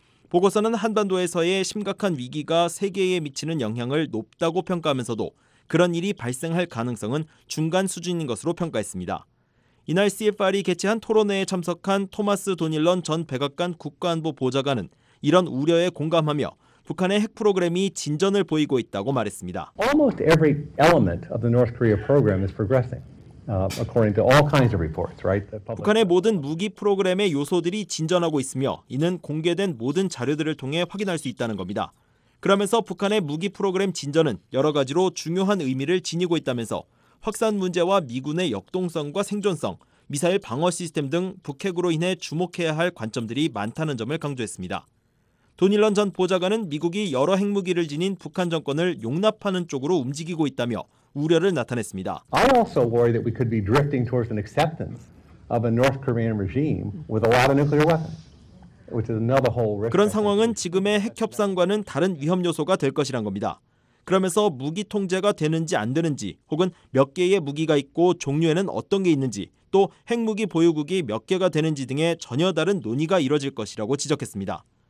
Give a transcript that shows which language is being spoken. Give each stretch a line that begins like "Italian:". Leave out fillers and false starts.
Korean: 보고서는 한반도에서의 심각한 위기가 세계에 미치는 영향을 높다고 평가하면서도 그런 일이 발생할 가능성은 중간 수준인 것으로 평가했습니다. 이날 CFR이 개최한 토론회에 참석한 토마스 도닐런 전 백악관 국가안보 보좌관은 이런 우려에 공감하며 북한의 핵 프로그램이 진전을 보이고 있다고 말했습니다.
English: Almost every element of the North Korea program is progressing. according to all kinds of reports, right?
Korean: 북한의 모든 무기 프로그램의 요소들이 진전하고 있으며 이는 공개된 모든 자료들을 통해 확인할 수 있다는 겁니다. 그러면서 북한의 무기 프로그램 진전은 여러 가지로 중요한 의미를 지니고 있다면서 확산 문제와 미군의 역동성과 생존성, 미사일 방어 시스템 등 북핵으로 인해 주목해야 할 관점들이 많다는 점을 강조했습니다. 도닐런 전 보좌관은 미국이 여러 핵무기를 지닌 북한 정권을 용납하는 쪽으로 움직이고 있다며 우려를 나타냈습니다.
English: I also worry that we could be drifting towards an acceptance of a North Korean regime with a lot of nuclear weapons.
Korean: 그런 상황은 지금의 핵 협상과는 다른 위험 요소가 될 것이란 겁니다. 그러면서 무기 통제가 되는지 안 되는지, 혹은 몇 개의 무기가 있고 종류에는 어떤 게 있는지, 또 핵무기 보유국이 몇 개가 되는지 등의 전혀 다른 논의가 이뤄질 것이라고 지적했습니다.